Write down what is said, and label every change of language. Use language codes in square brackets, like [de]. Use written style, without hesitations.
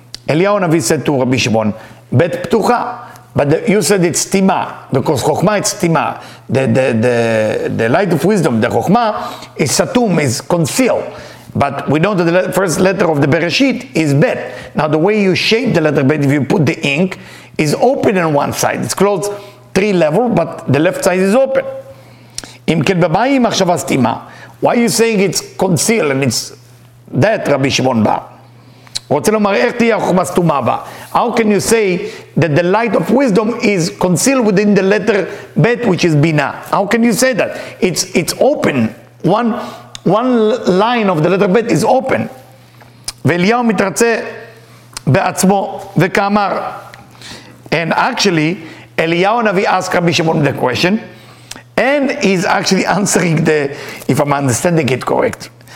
[he] אליהו הנביא סתור רבי שמעון, בית פתוחה, [en] but you said it's סתימה, because חוכמה it's סתימה, the light of wisdom, the חוכמה, is סתום, is concealed, but we know that the first letter of the בראשית is בית. Now the way you shape the letter בית, if you put the ink, is open on one side, it's closed three level, but the left side is open. [he] אם כן במה היא מחשבה סתימה, [en] why you saying it's concealed and it's that רבי שמעון בא? [he] רוצה לומר, איך תהיה החוכמה סתומה בה? [en] How can you say that the light of wisdom is concealed within the letter bet, which is bina? How can you say that? It's open. One line of the letter bet is open. [he] ואליהו מתרצה בעצמו וכאמר. [en] And actually, אליהו הנביא asked רבי שמעון the question. And he's actually answering the, if I'm understanding it correct.